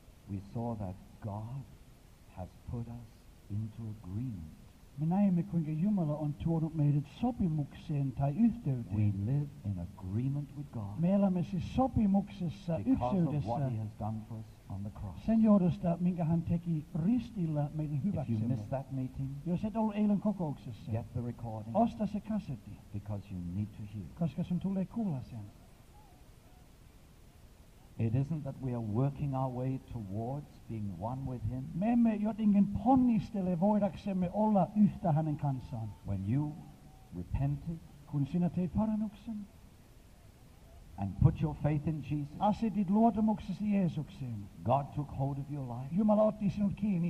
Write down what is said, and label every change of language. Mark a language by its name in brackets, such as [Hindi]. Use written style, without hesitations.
[English] We saw that God has put us into agreement. [Finnish] Me näemme, kuinka Jumala on tuonut meidät sopimukseen tai yhteyteen. [English] We live in agreement with God. [Finnish] Me elämme siis sopimuksessa yhteydessä. [English] Because of what he has done for us on the cross. [Finnish] Sen johdosta, minkä hän teki ristillä meidän hyväksemme. [English] If you missed that meeting, [Finnish] jos et ollut eilen kokouksessa, [English] get the recording. [Finnish] Osta se kasetti. [English] Because you need to hear. [Finnish] Koska sun tulee kuulla sen. [English] It isn't that we are working our way towards being one with him. [Finnish] Me emme jotenkin ponnistele voidaksemme olla yhtä hänen kanssaan. [English] When you repented, [Finnish] kun sinä teit parannuksen, [English] and put your faith in Jesus, [Finnish] asetit luottamuksesi Jeesukseen, [English] God took hold of your life, [Finnish] Jumala otti sinut kiinni,